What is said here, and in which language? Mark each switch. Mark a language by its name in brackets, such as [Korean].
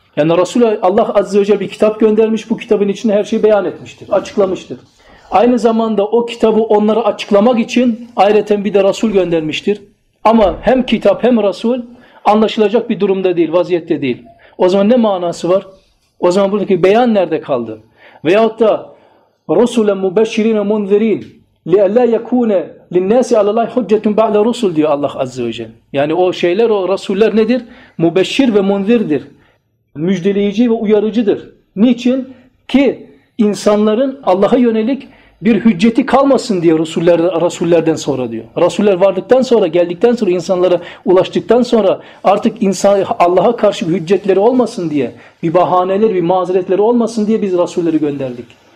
[Turkish] Yani Resulü Allah Azze ve Celle bir kitap göndermiş, bu kitabın içinde her şeyi beyan etmiştir, açıklamıştır. Aynı zamanda o kitabı onlara açıklamak için ayrıca bir de Resul göndermiştir. Ama hem kitap hem Resul anlaşılacak bir durumda değil, vaziyette değil. O zaman ne manası var? O zaman buradaki beyan nerede kaldı? [Arabic] Veyahut da رُسُولَ مُبَشِّرِينَ مُنْذِرِينَ لِأَلَّا يَكُونَ لِلنَّاسِ عَلَى اللّٰهِ حُجَّةٌ بَعْلَ رُسُولٍ [Turkish] diyor Allah Azze ve Celle. Yani o şeyler, o rasuller nedir? Mübeşşir ve munzirdir. Müjdeleyici ve uyarıcıdır. Niçin? Ki insanların Allah'a yönelik bir hücceti kalmasın diye rasullerden sonra diyor. Rasuller vardıktan sonra, geldikten sonra, insanlara ulaştıktan sonra artık insan Allah'a karşı bir hüccetleri olmasın diye, bir bahaneler, bir mazeretleri olmasın diye biz rasulleri gönderdik.